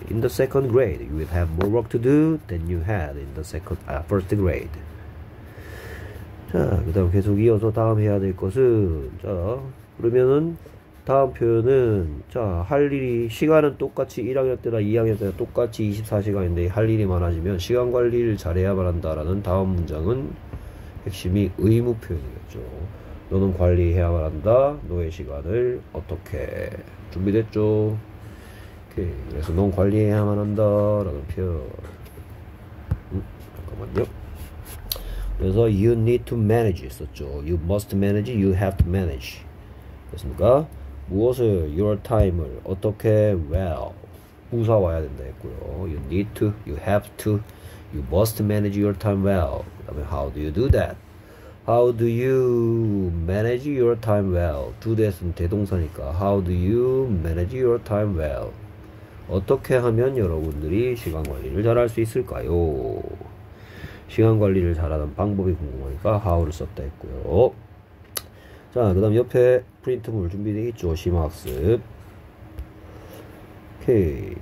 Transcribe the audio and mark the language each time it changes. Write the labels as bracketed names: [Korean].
[English] in the second grade you will have more work to do than you had in the second first grade. [Korean] 자, 그 다음 계속 이어서 다음 해야 될 것은, 자, 그러면은 다음 표현은, 자, 할 일이, 시간은 똑같이 1학년 때나 2학년 때나 똑같이 24시간인데 할 일이 많아지면 시간 관리를 잘해야만 한다라는 다음 문장은 핵심이 의무 표현이겠죠. 너는 관리해야만 한다. 너의 시간을 어떻게. 준비됐죠? 오케이. 그래서 넌 관리해야만 한다. 라는 표현. 잠깐만요. 그래서 [English] you need to manage [Korean] 했었죠. [English] you must manage, you have to manage. [Korean] 됐습니까? 무엇을, [English] your time [Korean] 을, 어떻게, well, 부사 와야 된다 했고요. [English] you need to, you have to, you must manage your time well. [Korean] 그 다음에 [English] how do you do that? how do you manage your time well? do that은 [Korean] 대동사니까 [English] how do you manage your time well? [Korean] 어떻게 하면 여러분들이 시간 관리를 잘할 수 있을까요? 시간 관리를 잘하는 방법이 궁금하니까 how를 썼다 했고요. 자, 그 다음 옆에 프린트물 준비되어 있죠. 심학습. 오케이.